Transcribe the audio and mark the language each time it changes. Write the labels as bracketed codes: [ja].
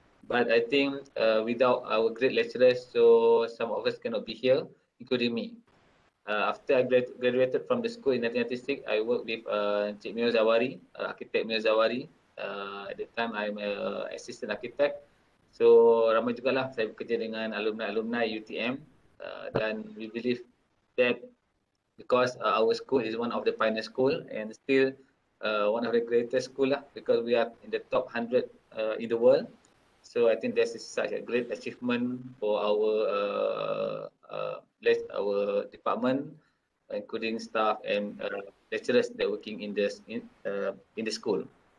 [en] But I think without our great lecturers, so some of us cannot be here, including me. After I graduated from the school in 1996, I worked with Cik Mio Zawari, architect Mio Zawari. At the time, I'm an assistant architect. [ms] So, ramai jugalah saya bekerja dengan alumni-alumni UTM. [en] Dan we believe that because our school is one of the pioneer school and still one of the greatest school lah, because we are in the top 100 in the world. So, I think this is such a great achievement for our our department, including staff and lecturers that working in this in the school.